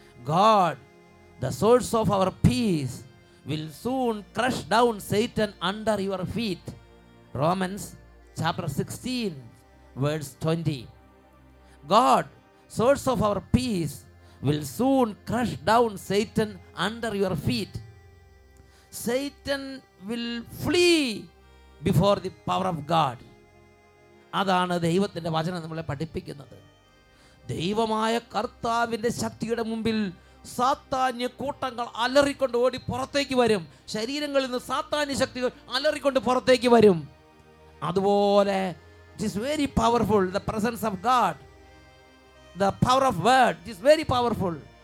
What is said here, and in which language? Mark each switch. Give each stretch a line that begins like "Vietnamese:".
English: God the source of our peace will soon crush down Satan under your feet. Romans chapter 16:20. God source of our peace will soon crush down Satan under your feet. Satan will flee before the power of God.
Malayalam: അതാണ് ദൈവത്തിൻ്റെ വചനം നമ്മളെ പഠിപ്പിക്കുന്നത്. ദൈവമായ കർത്താവിൻ്റെ ശക്തിയുടെ മുമ്പിൽ സാത്താന്യ കൂട്ടങ്ങൾ അലറിക്കൊണ്ട് ഓടി പുറത്തേക്ക് വരും. ശരീരങ്ങളിൽ നിന്ന് സാത്താന്യ ശക്തികൾ അലറിക്കൊണ്ട് പുറത്തേക്ക് വരും. അതുപോലെ
English: It is very powerful, the presence of God, the power of word it is very powerful.